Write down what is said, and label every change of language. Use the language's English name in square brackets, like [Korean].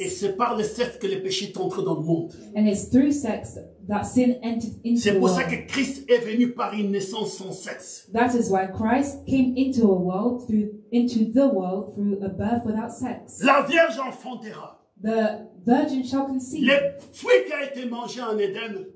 [French] Et c'est par le sexe que le péché entre dans le monde. [English] And it's through sex that sin entered into [French] c'est pour [English] the world. [French] Ça que Christ est venu par une naissance sans sexe. [English] That is why Christ came into a world through into the world through a birth without sex. [French] La Vierge enfantera. [English] The virgin shall conceive. [French] Le fruit qui a été mangé en Éden.